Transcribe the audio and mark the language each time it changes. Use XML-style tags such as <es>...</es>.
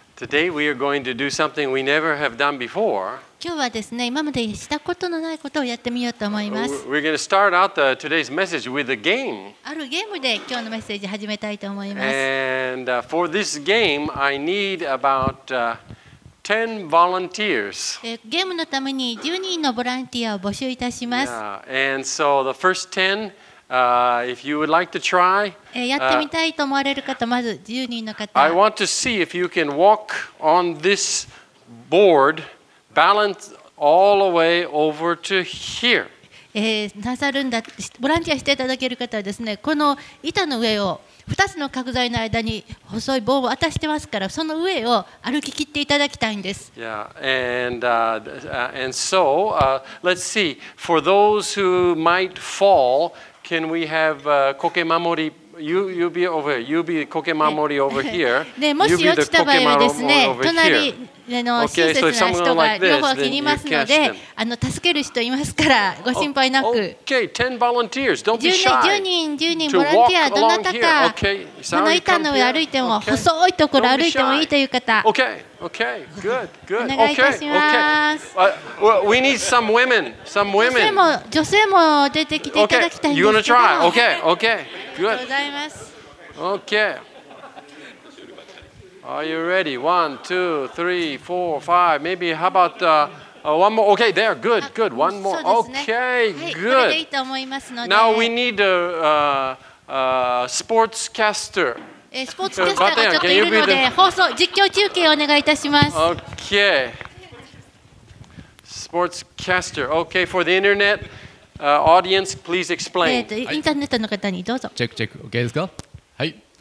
<en>Today we are going to do something we never have done before.</en> <ja>今日はですね、今までしたことのないことをやってみようと思います。</ja> <en>We're going to start out today's message with a game.</en> <ja>あるゲームで今日のメッセージ始めたいと思います。</ja> <en>And for this game, I need about 10 volunteers.</en> <ja>ゲームのために10人のボランティアを募集いたします。</ja> <en>Yeah. And so the first 10if you would like to try,</en> <ja>やってみたいと思われる方、まず10人の方。</ja> <en>I want to see if you can walk on this board, balance all the way over to here.</en> <ja>なさるんだ、ボランティアしていただける方はですね、この板の上を2つの角材の間に細い棒を渡してますから、その上を歩き切っていただきたいんです。</ja> <en>Yeah, and so, let's see, for those who might fall,Can we have koke mamori? You be over here. You be koke mamori over here.</en> <ja>でもし落ちた場合はですね、隣の親切な人が両方切りますので、助ける人いますからご心配なく。</ja> <en>Okay, 10 volunteers. Don't be shy.</en> <ja>10人ボランティアどなたか、この板の上歩いても細いところ歩いてもいいという方。</ja> <en>Okay, good.</en> <ja>お願いいたします。</ja> <en>We need some women.</en> <ja>女性も出てきていただきたいんですけど。</ja> <en>Okay, you wanna try? Okay, good.</en> <ja>ありがとうございます。</ja> <en>Okay. Are you ready? 1, 2, 3, 4, 5. Maybe how about one more? Okay, there. Good. One more. Okay, good.</en> <ja>これでいいと思いますので。</ja> <en>Now we need a sportscaster.</en> <ja>スポーツキャスターがちょっといるので、放送実況中継をお願いいたします。</ja> <en>Okay. Sportscaster. Okay. For the internet audience, please explain.</en> <ja>インターネットの方にどうぞ。チェック。Okay ですか？はい。</ja>